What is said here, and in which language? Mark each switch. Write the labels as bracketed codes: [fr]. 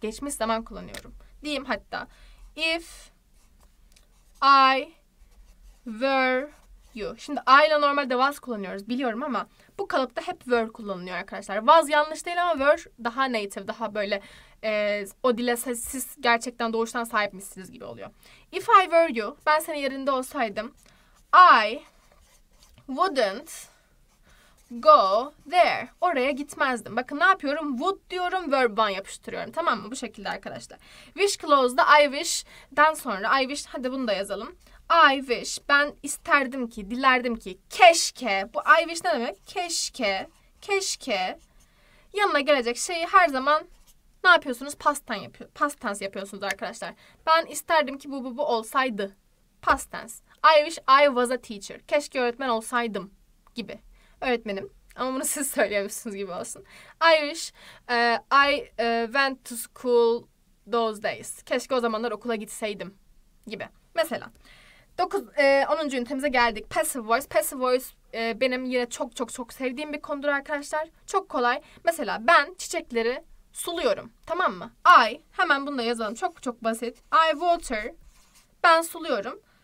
[tr] Geçmiş zaman kullanıyorum. Diyeyim hatta. [en] If I were you. [tr] Şimdi I ile normalde was kullanıyoruz biliyorum ama bu kalıpta hep were kullanılıyor arkadaşlar. Was yanlış değil ama were daha native, daha böyle o dile siz gerçekten doğuştan sahipmişsiniz gibi oluyor. [en] If I were you, [tr] ben senin yerinde olsaydım, [en] I wouldn't go there. [tr] Oraya gitmezdim. Bakın ne yapıyorum? Would diyorum, verb one yapıştırıyorum. Tamam mı? Bu şekilde arkadaşlar. Wish clause'da I wish'den sonra, I wish, hadi bunu da yazalım. I wish, ben isterdim ki, dilerdim ki, keşke, bu I wish ne demek? Keşke, keşke, yanına gelecek şeyi her zaman ne yapıyorsunuz? Past tense yapıyorsunuz arkadaşlar. Ben isterdim ki bu olsaydı. [en] Past tense. I wish I was a teacher. [tr] Keşke öğretmen olsaydım gibi. Öğretmenim Ama bunu siz söylüyormuşsunuz gibi olsun. [en] Irish, I went to school those days. [tr] Keşke o zamanlar okula gitseydim gibi. Mesela 10. ünitemize geldik. Passive voice. Passive voice benim yine çok çok çok sevdiğim bir konudur arkadaşlar. Çok kolay. Mesela ben çiçekleri suluyorum. Tamam mı? I, hemen bunu da yazalım. Çok çok basit. I water, ben suluyorum.